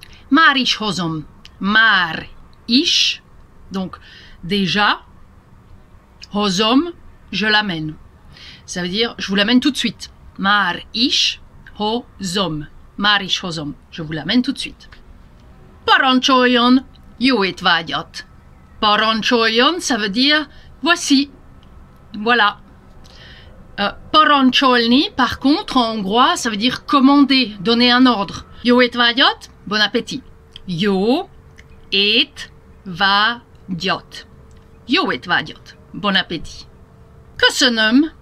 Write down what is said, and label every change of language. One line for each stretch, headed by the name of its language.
Hungarian: Már is hozom. Már is.
French: Donc, déjà. Hozom, je l'amène. Ça veut dire, je vous l'amène tout de suite.
Hungarian: Már is hozom. Már is hozom.
French: Je vous l'amène tout de suite.
Hungarian: Parancsoljon, jó étvágyat.
French: Parancsoljon, ça veut dire, voici. Voilà. Parancsolni, par contre, en hongrois, ça veut dire commander, donner un ordre.
Hungarian: Jó étvágyat,
French: bon appétit.
Hungarian: Jó étvágyat. Jó étvágyat.
French: Bon appétit.
Hungarian: Köszönöm.